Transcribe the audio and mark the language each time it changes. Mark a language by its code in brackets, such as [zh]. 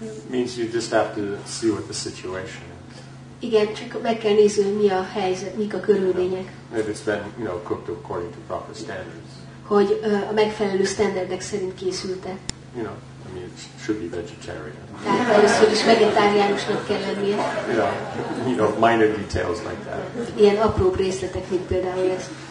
[en] Means you just have to see what the situation is. [hu] Igen, csak meg kell nézni, hogy mi a helyzet, mik a körülmények. [en] If it's been, you know, cooked according to proper standards. [hu] Hogy a megfelelő standardek szerint készült-e. [en] You know, I mean, it should be vegetarian. [hu] Tehát először is vegetáriánusnak kell lennie. [en] You know, minor details like that. [hu] Ilyen apró részletek, mint például ez.